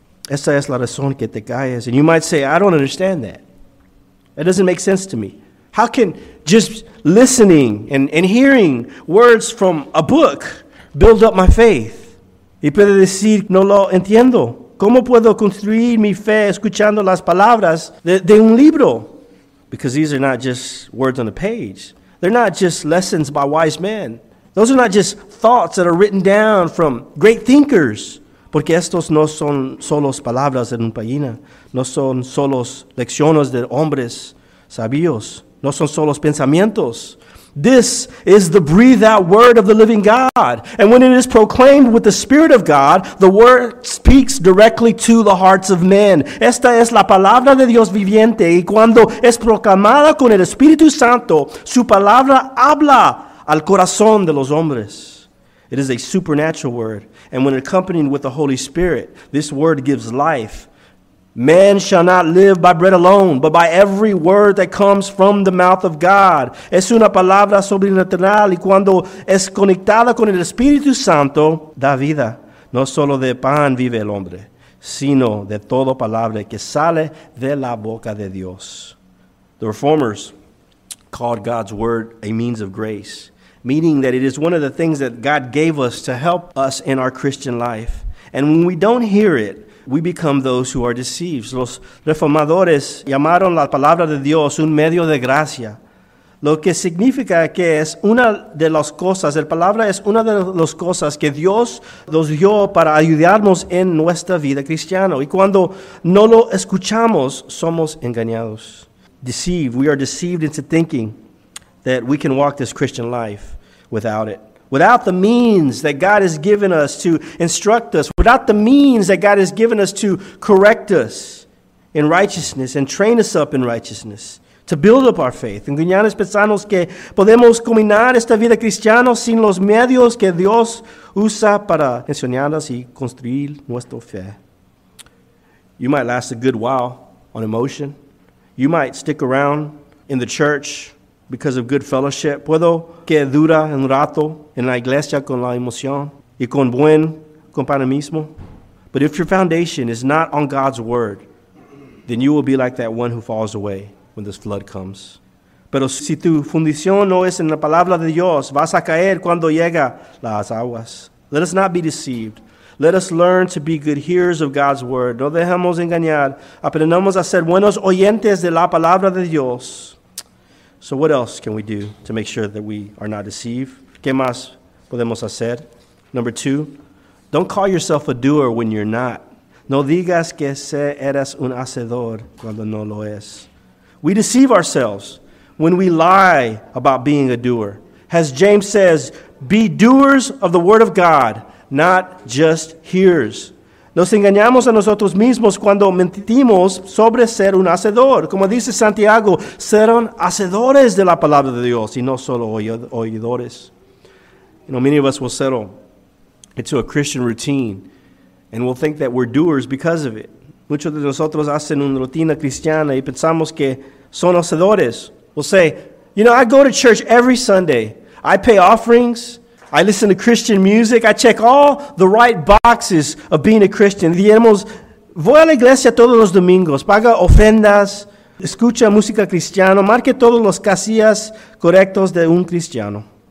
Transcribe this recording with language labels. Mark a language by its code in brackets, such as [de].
[es] Esa es la razón que te caes. [en] And you might say, I don't understand that. That doesn't make sense to me. How can just listening and hearing words from a book build up my faith? [es] Y puede decir, no lo entiendo. ¿Cómo puedo construir mi fe escuchando las palabras de un libro? [en] Because these are not just words on the page. They're not just lessons by wise men. Those are not just thoughts that are written down from great thinkers. [es] Porque estos no son solos palabras en una página. No son solos lecciones de hombres sabios. No son solos pensamientos. [en] This is the breathed out word of the living God. And when it is proclaimed with the Spirit of God, the word speaks directly to the hearts of men. [es] Esta es la palabra de Dios viviente. Y cuando es proclamada con el Espíritu Santo, su palabra habla al corazón de los hombres. [en] It is a supernatural word. And when accompanied with the Holy Spirit, this word gives life Man shall not live by bread alone, but by every word that comes from the mouth of God. [es] Es una palabra sobrenatural y cuando es conectada con el Espíritu Santo, da vida. No solo de pan vive el hombre, sino de toda palabra que sale de la boca de Dios. [en] The Reformers called God's word a means of grace, meaning that it is one of the things that God gave us to help us in our Christian life. And when we don't hear it, we become those who are deceived. [es] Los reformadores llamaron la palabra de Dios un medio de gracia. Lo que significa que es una de las cosas, la palabra es una de las cosas que Dios nos dio para ayudarnos en nuestra vida cristiana. Y cuando no lo escuchamos, somos engañados. Deceived. [en] We are deceived into thinking that we can walk this Christian life without it. Without the means that God has given us to instruct us, without the means that God has given us to correct us in righteousness and train us up in righteousness, to build up our faith. [es] En Guñanes pensamos que podemos caminar esta vida cristiana sin los medios que Dios usa para enseñarnos y construir nuestra fe. [en] You might last a good while on emotion. You might stick around in the church because of good fellowship. [es] Puedo que dura un rato en la iglesia con la emoción y con buen compañerismo. [en] But if your foundation is not on God's word, then you will be like that one who falls away when this flood comes. [es] Pero si tu fundición no es en la palabra de Dios, vas a caer cuando llega las aguas. [en] Let us not be deceived. Let us learn to be good hearers of God's word. [es] No dejemos engañar. Aprendamos a ser buenos oyentes de la palabra de Dios. [en] So what else can we do to make sure that we are not deceived? [es] ¿Qué más podemos hacer? [en] Number two, don't call yourself a doer when you're not. [es] No digas que eres un hacedor cuando no lo es. [en] We deceive ourselves when we lie about being a doer. As James says, be doers of the word of God, not just hearers. [es] Nos engañamos a nosotros mismos cuando mentimos sobre ser un hacedor. Como dice Santiago, serán hacedores de la palabra de Dios y no solo oyedores. [en] You know, many of us will settle into a Christian routine and we'll think that we're doers because of it. [es] Muchos de nosotros hacen una rutina cristiana y pensamos que son hacedores. [en] We'll say, you know, I go to church every Sunday. I pay offerings. I listen to Christian music. I check all the right boxes of being a Christian. [es] Diemos, voy a la iglesia todos los domingos. Paga ofrendas. Escucha música cristiana. Marque todos los casillas correctos de un cristiano.